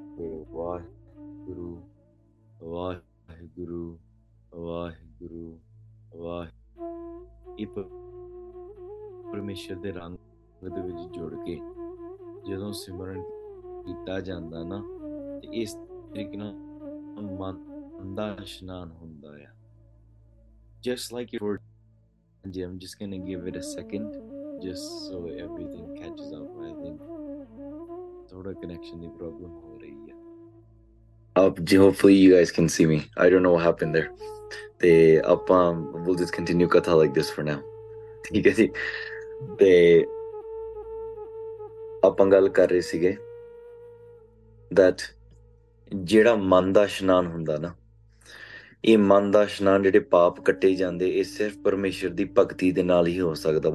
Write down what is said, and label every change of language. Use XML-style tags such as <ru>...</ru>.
<pa>Vaheguru, Waheguru, Waheguru, ਪਰਮੇਸ਼ਰ ਦੇ ਰੰਗ ਦੇ ਵਿੱਚ ਜੁੜ ਕੇ ਜਦੋਂ ਸਿਮਰਨ ਕੀਤਾ ਜਾਂਦਾ ਨਾ, ਤੇ ਇਸ ਤਰੀਕੇ ਨਾਲ ਮਨ ਦਾ ਇਸ਼ਨਾਨ ਹੁੰਦਾ ਆ।</pa> <en>Just like you word, ਹਾਂਜੀ I'm just going to give it a second, just so everything catches up. I think</en> <pa>ਥੋੜਾ ਕਨੈਕਸ਼ਨ ਦੀ ਪ੍ਰੋਬਲਮ ਹੋ ਰਹੀ ਆ।</pa> <en>Hopefully you guys can see me. I don't know what happened there. They up we'll just continue katha like this for now.</en> <pa>ਠੀਕ ਹੈ ਜੀ, ਤੇ ਆਪਾਂ ਗੱਲ ਕਰ ਰਹੇ ਸੀਗੇ ਦੈਟ ਜਿਹੜਾ ਮਨ ਦਾ ਇਸ਼ਨਾਨ ਹੁੰਦਾ ਨਾ, ਇਹ ਮਨ ਦਾ ਇਸ਼ਨਾਨ ਜਿਹੜੇ ਪਾਪ ਕੱਟੇ ਜਾਂਦੇ, ਇਹ ਸਿਰਫ ਪਰਮੇਸ਼ਰ ਦੀ ਭਗਤੀ ਦੇ ਨਾਲ ਹੀ ਹੋ ਸਕਦਾ।</pa>